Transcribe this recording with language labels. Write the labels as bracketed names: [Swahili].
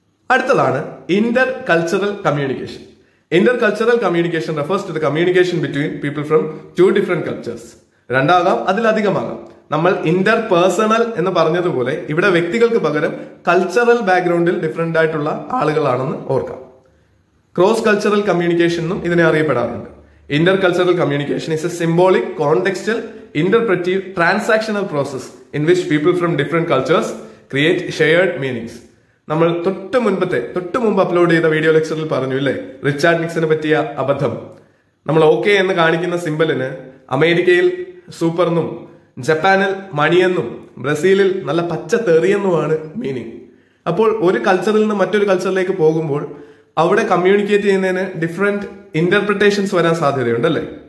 [Malayalam] അടുത്തതാണ് [English] Inter cultural communication. Inter cultural communication refers to the communication between people from two different cultures. [Malayalam] രണ്ടാകാം അതിലധികമാകാം. നമ്മൾ Inter personal എന്ന് പറഞ്ഞതുപോലെ ഇവിടെ വ്യക്തികൾക്ക് പകരം കൾച്ചറൽ ബാക്ക്ഗ്രൗണ്ടിൽ ഡിഫറെന്റ് ആയിട്ടുള്ള ആളുകളാണെന്ന് ഓർക്കാം. ക്രോസ് കൾച്ചറൽ കമ്മ്യൂണിക്കേഷൻ എന്നും ഇതിനെ അറിയപ്പെടാറുണ്ട്. [English] Intercultural communication is a symbolic, contextual, interpretive, transactional process in which people from different cultures create shared meanings. [Malayalam] നമ്മൾ തൊട്ടുമുമ്പ് അപ്ലോഡ് ചെയ്ത വീഡിയോ ലെക്ചറിൽ പറഞ്ഞു അല്ലേ, റിച്ചാർഡ് നിക്സനെ പറ്റിയ അബദ്ധം. നമ്മൾ ഓക്കെ എന്ന് കാണിക്കുന്ന സിമ്പലിന് അമേരിക്കയിൽ സൂപ്പർ എന്നും ജപ്പാനിൽ മണിയെന്നും ബ്രസീലിൽ നല്ല പച്ച തെറിയെന്നുമാണ് മീനിങ്. അപ്പോൾ ഒരു കൾച്ചറിൽ നിന്ന് മറ്റൊരു കൾച്ചറിലേക്ക് പോകുമ്പോൾ അവിടെ കമ്മ്യൂണിക്കേറ്റ് ചെയ്യുന്നതിന് ഡിഫറെന്റ് ഇന്റർപ്രിട്ടേഷൻസ് വരാൻ സാധ്യതയുണ്ടല്ലേ.